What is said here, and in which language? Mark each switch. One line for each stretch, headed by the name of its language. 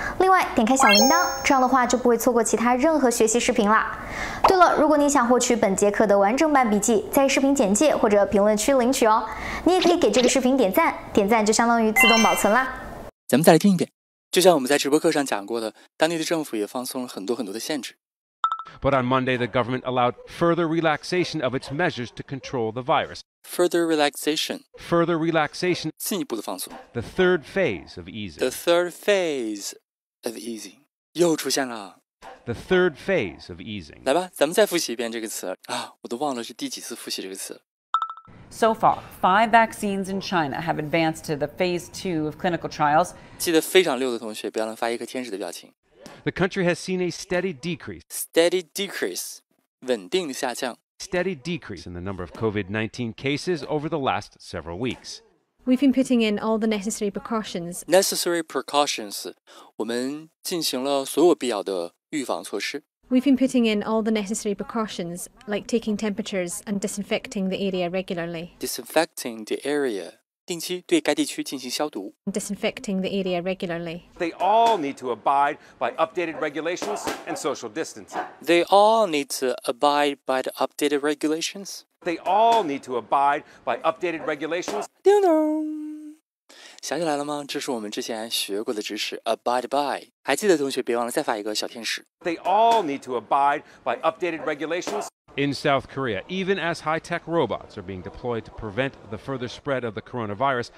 Chinese: 另外，点开小铃铛，这样的话就不会错过其他任何学习视频啦。对了，如果你想获取本节课的完整版笔记，在视频简介或者评论区领取哦。你也可以给这个视频点赞，点赞就相当于自动保存啦。咱们再来听一遍。就像我们在直播课上讲过的，当地的政府也放松了很多很多的限制。
English: But on Monday, the government allowed further relaxation of its measures to control the virus. Further relaxation. Further relaxation.
Chinese: 进一步的放松。
English: The third phase of easing. The third phase of easing.
Chinese: 又出现了。
English: The third phase of easing.
Chinese: 来吧，咱们再复习一遍这个词。啊，我都忘了是第几次复习这个词。
English: So far, five vaccines in China have advanced to the phase two of clinical trials.
Chinese: 记得非常溜的同学，不要能发一个天使的表情。
English: The country has seen a steady decrease. Steady decrease,
Chinese: 稳定的下降。
English: Steady decrease in the number of COVID-19 cases over the last several weeks. We've been putting in all the necessary precautions. Necessary precautions,
Chinese: 我们进行了所有必要的预防措施。
English: We've been putting in all the necessary precautions, like taking temperatures and disinfecting the area regularly. Disinfecting the area.
Chinese: 定期对该地区进行消毒。
English: Disinfecting the area regularly. They all need to abide by updated regulations and social distancing. They all need to abide by the updated regulations. They all need to abide by updated regulations.
Chinese: 叮咚，想起来了吗？这是我们之前学过的知识 ，abide by。还记得同学，别忘了再发一个小天使。
English: They all need to abide by updated regulations. In South Korea, even as high-tech robots are being deployed to prevent the further spread of the coronavirus,